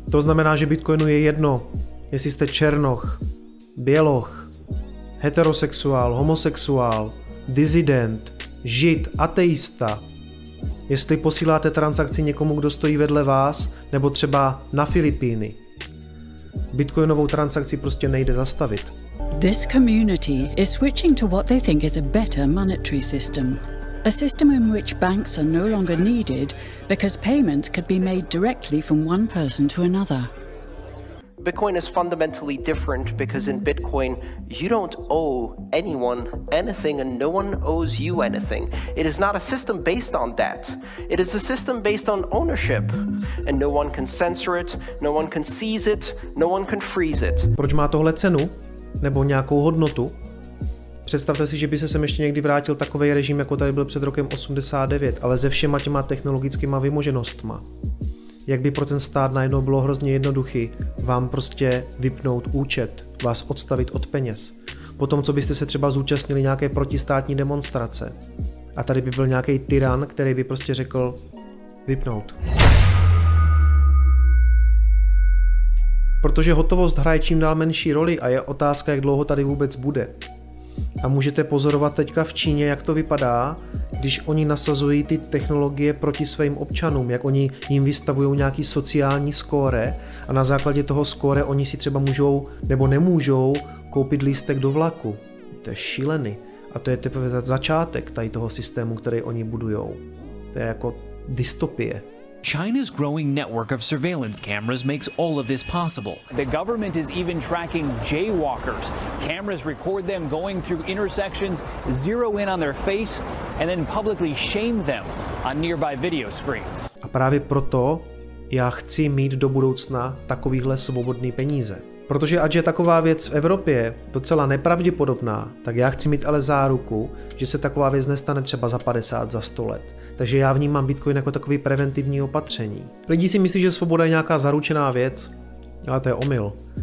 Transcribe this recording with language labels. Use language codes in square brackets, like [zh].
[cs] To znamená, že Bitcoinu je jedno, jestli jste černoch, běloch, heterosexuál, homosexuál, disident, žid, ateista. Jestli posíláte transakci někomu, kdo stojí vedle vás, nebo třeba na Filipíny. Bitcoinovou transakci prostě nejde zastavit. [en] This community is switching to what they think is a better monetary system. A system in which banks are no longer needed because payments could be made directly from one person to another. Bitcoin is fundamentally different because in Bitcoin you don't owe anyone anything and no one owes you anything. It is not a system based on debt. It is a system based on ownership and no one can censor it, no one can seize it, no one can freeze it. [cs] Proč má tohle cenu? nebo nějakou hodnotu. Představte si, že by se sem ještě někdy vrátil takovej režim, jako tady byl před rokem 89, ale se všema těma technologickýma vymoženostma. Jak by pro ten stát najednou bylo hrozně jednoduchý vám prostě vypnout účet, vás odstavit od peněz. Potom, co byste se třeba zúčastnili nějaké protistátní demonstrace. A tady by byl nějaký tyran, který by prostě řekl vypnout. Protože hotovost hraje čím dál menší roli a je otázka, jak dlouho tady vůbec bude. A můžete pozorovat teďka v Číně, jak to vypadá, když oni nasazují ty technologie proti svým občanům, jak oni jim vystavují nějaký sociální skóre a na základě toho skóre oni si třeba můžou nebo nemůžou koupit lístek do vlaku. To je šílený. A to je teprve začátek tady toho systému, který oni budujou. To je jako dystopie. [en] China's growing network of surveillance cameras makes all of this possible. The government is even tracking jaywalkers. Cameras record them going through intersections, zero in on their face, and then publicly shame them on nearby video screens. [cs] A právě proto já chci mít do budoucna takovýhle svobodný peníze. Protože ať je taková věc v Evropě docela nepravděpodobná, tak já chci mít ale záruku, že se taková věc nestane třeba za 50, za 100 let. Takže já vnímám Bitcoin jako takový preventivní opatření. Lidi si myslí, že svoboda je nějaká zaručená věc, ale to je omyl.